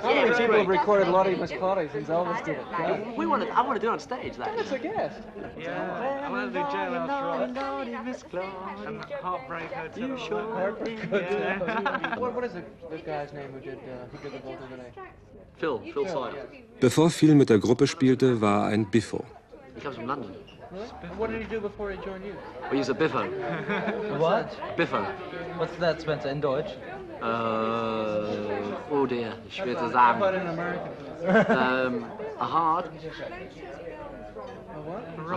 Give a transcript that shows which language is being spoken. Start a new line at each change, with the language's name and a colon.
English: how many people have recorded Lordy Miss Claudy since Elvis did it? I want to do it on stage. That. That's a guest. Yeah. I'm going to do Lordy Miss Claudy. And Heartbreaker. What is the guy's name who did the vocal today? Phil Sawyer. Yeah.
German: Bevor Phil mit der Gruppe spielte, war ein Biffo.
English: He comes from London. Really? What did he do before he joined you? Well, he's a biffo. What? Biffo. What's that, Spencer, in Deutsch? Oh dear.
German: Schwer zu sagen.
English: What in American? A hard. A